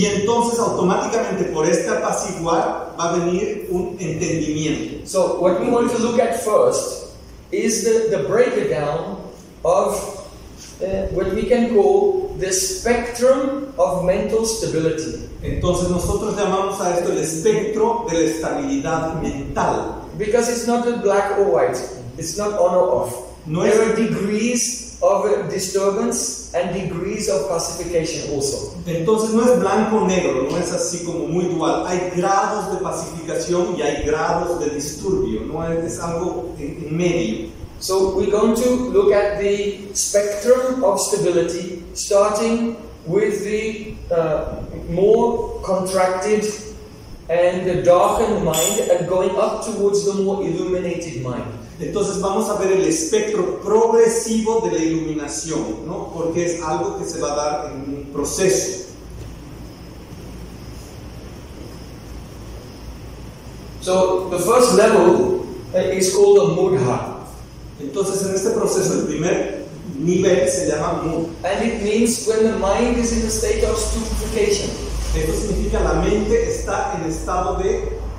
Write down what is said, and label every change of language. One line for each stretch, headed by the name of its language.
Spanish: Y entonces automáticamente por este apaciguar va a venir un entendimiento.
English: So what we want to look at first is the breakdown of what we can call the spectrum of mental stability.
Spanish: Entonces nosotros llamamos a esto el espectro de la estabilidad mental.
English: Because it's not a black or white. It's not on or off.
Spanish: No,
English: there are degrees of disturbance and degrees of pacification also.
Spanish: Entonces no es blanco o negro, no es así como muy dual. Hay grados de pacificación y hay grados de disturbio, no es algo en medio.
English: So we're going to look at the spectrum of stability, starting with the more contracted and the darkened mind and going up towards the more illuminated mind.
Spanish: Entonces vamos a ver el espectro progresivo de la iluminación, ¿no? Porque es algo que se va a dar en un proceso.
English: So, the first level is called a mudha.
Spanish: Entonces en este proceso el primer nivel se llama mudha.
English: And it means when the mind is in a state of stupefaction. Esto significa la mente está en estado de